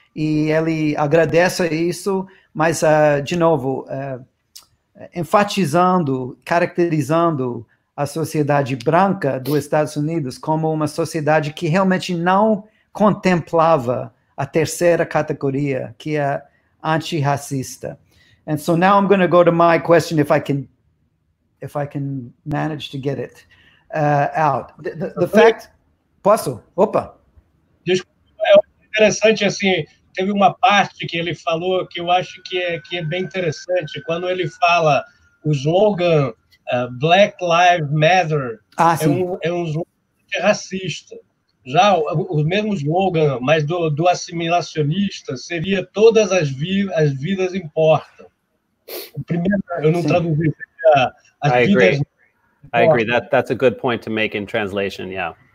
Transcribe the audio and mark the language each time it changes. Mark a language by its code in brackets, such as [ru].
[pt] E ele agradece isso, mas, de novo, enfatizando, caracterizando a sociedade branca dos Estados Unidos como uma sociedade que realmente não contemplava a terceira categoria, que é antirracista. [en] And so now I'm going to go to my question, if I can manage to get it. Out. The fact... [pt] Posso? Opa! Desculpa, é interessante, assim, teve uma parte que ele falou que eu acho que é bem interessante, quando ele fala o slogan Black Lives Matter, é um slogan racista. Já o mesmo slogan, mas do assimilacionista, seria todas as vidas importam. O primeiro, eu não traduzi, as vidas... [en] I agree. That's a good point to make in translation, yeah.